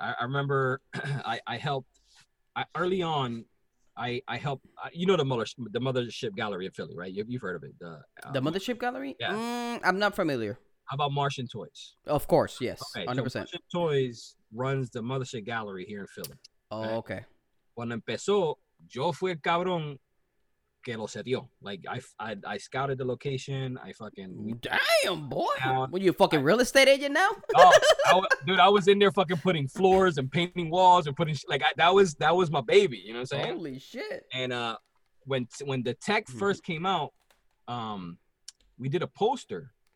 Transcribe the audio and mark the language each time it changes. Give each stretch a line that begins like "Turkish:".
English: I remember I helped, early on, you know, the Mothership Gallery of Philly, right? You've heard of it. The Mothership Gallery? Yeah. I'm not familiar. How about Martian Toys? Of course, yes. Okay, 100%. So Martian Toys runs the Mothership Gallery here in Philly. Oh, right? Okay.
Spanish: Cuando empezó, yo fui el cabrón que lo setió.
English: Like, I scouted the location. I fucking... Damn, boy. What, you a fucking real estate agent now? I was in there fucking putting floors and painting walls and putting... that was my baby, you know what I'm saying? Holy shit. And when the tech first came out, we did a poster.